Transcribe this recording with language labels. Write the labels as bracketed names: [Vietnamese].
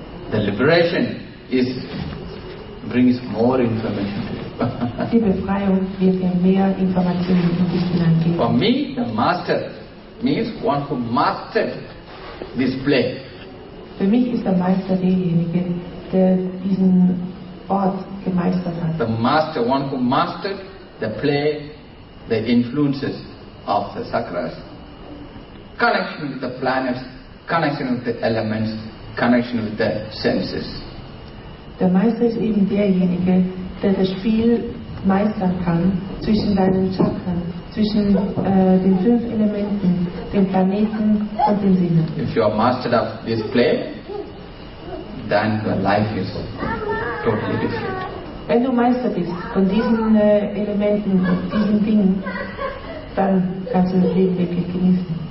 [English] The liberation is brings more information to you. [German] Die Befreiung wird dir mehr Informationen und Wissen geben. [English] For me, the master means one who mastered this play. [German] Für mich ist der Meister derjenige, der diesen Ort gemeistert hat. [English] The master, one who mastered the play, the influences of the sakras, connection with the planets, connection with the elements. Connection with the senses. [German] Der Meister ist eben derjenige, der das Spiel meistern kann zwischen deinen Chakren, zwischen den fünf Elementen, den Planeten und den Sinnen. [English] If you are mastered of this play, then your life is totally different. [German] Wenn du Meister bist von diesen Elementen, von diesen Dingen, dann kannst du das Leben wirklich genießen.